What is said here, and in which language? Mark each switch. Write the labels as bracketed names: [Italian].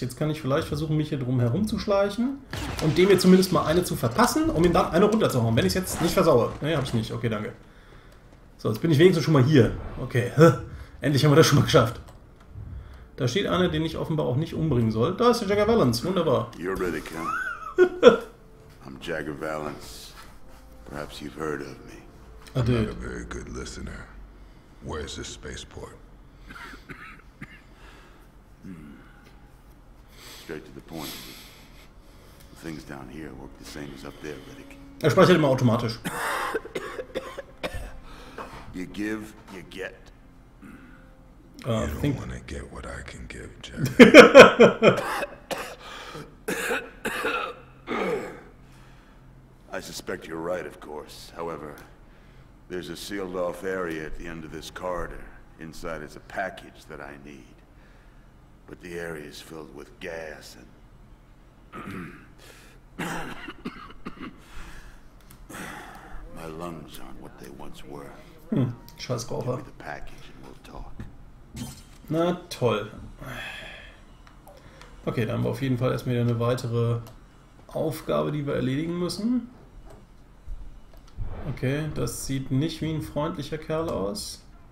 [German] Jetzt kann ich vielleicht versuchen, mich hier drum herum zu schleichen. Und dem hier zumindest mal eine zu verpassen, um ihm dann eine runterzuhauen. Wenn ich es jetzt nicht versaue. Nee, hab ich nicht. Okay, danke. So, jetzt bin ich wenigstens schon mal hier. Okay, endlich haben wir das schon mal geschafft. Da steht einer, den ich offenbar auch nicht umbringen soll. Da ist der Jagger Valance. Wunderbar. [English] You're Riddick, huh? I'm Jagger Valance. Perhaps you've heard of me. I did. I'm not a very good listener. Where's this spaceport? Straight to the point. The things down here work the same as up there, Riddick. [German] Er speichert immer automatisch. [English] You give, you get. You don't want to get what I can give, Jack. I suspect you're right, of course. However, there's a sealed-off area at the end of this corridor. Inside is a package that I need. But the area is filled with gas and my lungs aren't what they once were. [German] Scheißkoffer. [English] Give me the package and we'll talk. [German] Na toll. Okay, dann haben wir auf jeden Fall erstmal wieder eine weitere Aufgabe, die wir erledigen müssen. Okay, das sieht nicht wie ein freundlicher Kerl aus.